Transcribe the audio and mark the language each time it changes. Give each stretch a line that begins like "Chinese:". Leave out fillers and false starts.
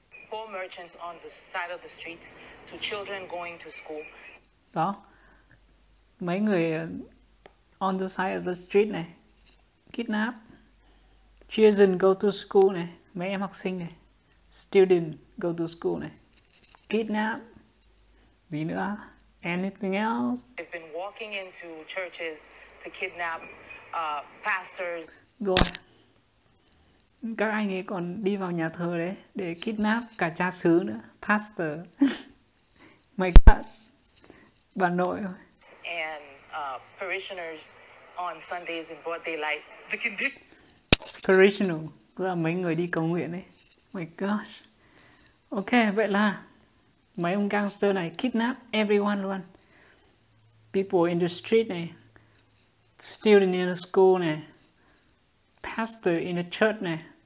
English: Poor merchants on the side of the streets to children going to school.
Vietnamese: Đó. Mấy người
English: on the side of the street này. Kidnap. Children go to school này.
Vietnamese: Mấy em học sinh này.
English: Student go to school này. Kidnap. Gì nữa? Anything else? They've been walking into churches to kidnap pastors.
Vietnamese: Rồi. Các anh ấy còn đi vào nhà thờ đấy để kidnap cả cha xứ nữa, pastor.
English: My God.
Vietnamese: Bà nội.
English: And parishioners on Sundays in broad daylight. The condition.
Vietnamese: Parishioner, là mấy người đi cầu nguyện ấy.
English: My gosh.
Vietnamese: Ok, vậy là mấy ông gangster này
English: kidnap everyone
Vietnamese: luôn.
English: People in the street này, student in the school này, pastor in the church này.